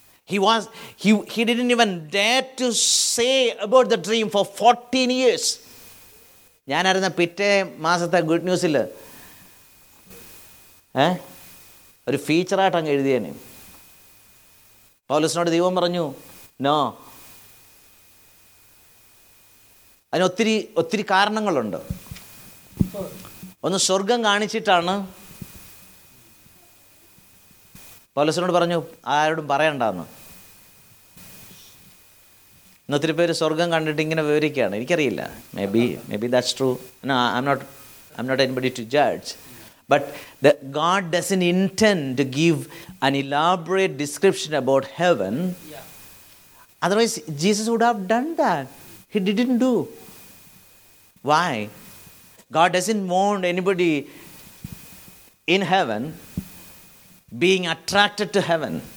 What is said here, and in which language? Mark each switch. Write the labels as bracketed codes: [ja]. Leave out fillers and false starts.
[en] He didn't even dare to say about the dream for 14 years. [ml] ഞാൻ അറിഞ്ഞ പിറ്റേ മാസത്തെ ഗുഡ് ന്യൂസിൽ ഒരു ഫീച്ചറായിട്ട് അങ്ങ് എഴുതിയേനെ. പൗലോസിനോട് ദൈവം പറഞ്ഞു, നോ. അതിന് ഒത്തിരി ഒത്തിരി കാരണങ്ങളുണ്ട്. ഒന്ന്, സ്വർഗം കാണിച്ചിട്ടാണ് പൗലോസിനോട് പറഞ്ഞു ആരോടും പറയണ്ടെന്ന്. ഇന്ന് ഒത്തിരി പേര് സ്വർഗം കണ്ടിട്ട് ഇങ്ങനെ വിവരിക്കുകയാണ്, എനിക്കറിയില്ല. [en] Maybe that's true. No, I am not anybody to judge. But the God doesn't intend to give an elaborate description about heaven. Yeah. Otherwise, Jesus would have done that. He didn't do. Why? God doesn't want anybody in heaven being attracted to heaven.